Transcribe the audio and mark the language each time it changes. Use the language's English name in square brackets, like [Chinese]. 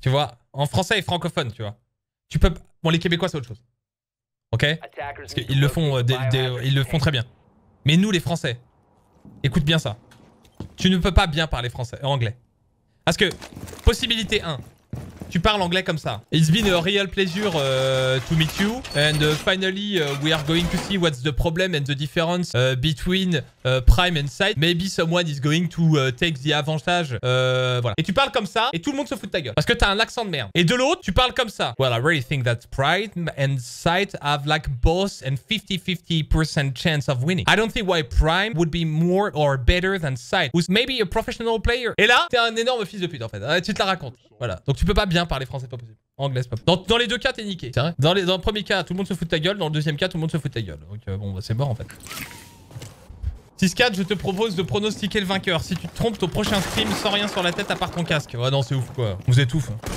[French] Tu vois, en français et francophone, tu vois. Tu peux... Bon, les Québécois, c'est autre chose. Ok ? Parce qu'ils le font, ils le font très bien. Mais nous, les Français, écoute bien ça. Tu ne peux pas bien parler français, anglais. Parce que, possibilité 1, tu parles anglais comme ça. [English] It's been a real pleasure to meet you. And finally, we are going to see what's the problem and the difference between Prime and Side. Maybe someone is going to take the advantage. [French] Voilà. Et tu parles comme ça, et tout le monde se fout de ta gueule. Parce que t'as un accent de merde. Et de l'autre, tu parles comme ça. [English] Well, I really think that Prime and Side have like both and 50-50% chance of winning. I don't see why Prime would be more or better than Side, who's maybe a professional player. [French] Et là, t'es un énorme fils de pute, en fait. Tu te la racontes. Voilà. Donc tu peux pas bien parler français, pas possible. Anglais, c'est pas possible. Dans les deux cas, t'es niqué. C'est vrai. Dans le premier cas, tout le monde se fout de ta gueule. Dans le deuxième cas, tout le monde se fout de ta gueule. Donc bon, bah, c'est mort en fait. 6-4, je te propose de pronostiquer le vainqueur. Si tu te trompes, ton prochain stream sans rien sur la tête à part ton casque. Ouais, non, c'est ouf quoi. On vous étouffe.